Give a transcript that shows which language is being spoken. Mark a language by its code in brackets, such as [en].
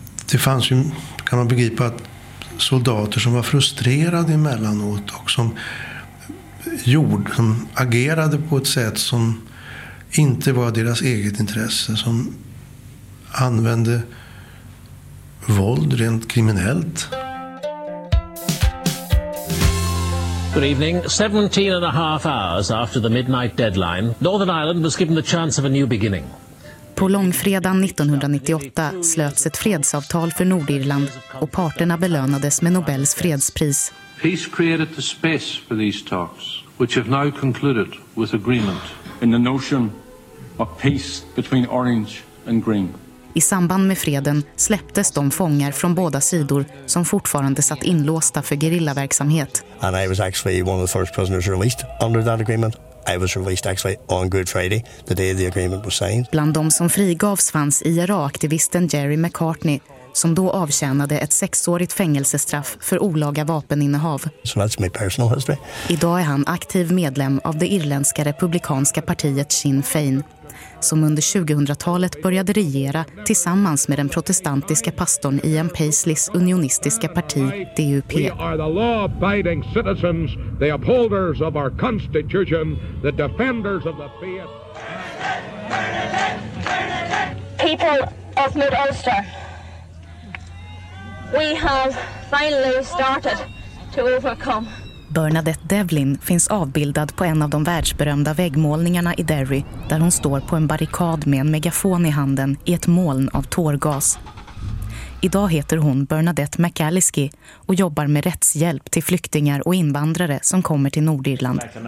[sv] Det fanns ju, kan man begripa, att soldater som var frustrerade emellanåt och som gjorde, som agerade på ett sätt som inte var deras eget intresse, som använde våld rent kriminellt. [en] Good evening. 17 and a half hours after the midnight deadline, Northern Ireland was given the chance of a new beginning. [sv] På långfredagen 1998 slöts ett fredsavtal för Nordirland och parterna belönades med Nobels fredspris. [en] Peace created the space for these talks, which have now concluded with agreement in the notion of peace between orange and green. [sv] I samband med freden släpptes de fångar från båda sidor som fortfarande satt inlåsta för gerillaverksamhet. [en] And I was actually one of the first prisoners released under that agreement. I was released actually on Good Friday, the day the agreement was signed. [sv] Bland de som frigavs fanns IRA-aktivisten Jerry McCartney, som då avtjänade ett 6-årigt fängelsestraff för olaga vapeninnehav. [en] So that's my personal history. [sv] Idag är han aktiv medlem av det irländska republikanska partiet Sinn Féin, som under 2000-talet började regera tillsammans med den protestantiska pastorn Ian Paisleys unionistiska parti DUP. [en] We are the law-abiding citizens, the upholders of our constitution, the defenders of the fiat. People of North Ulster, we have finally started to overcome. [sv] Bernadette Devlin finns avbildad på en av de världsberömda väggmålningarna i Derry, där hon står på en barrikad med en megafon i handen i ett moln av tårgas. Idag heter hon Bernadette McAliskey och jobbar med rättshjälp till flyktingar och invandrare som kommer till Nordirland.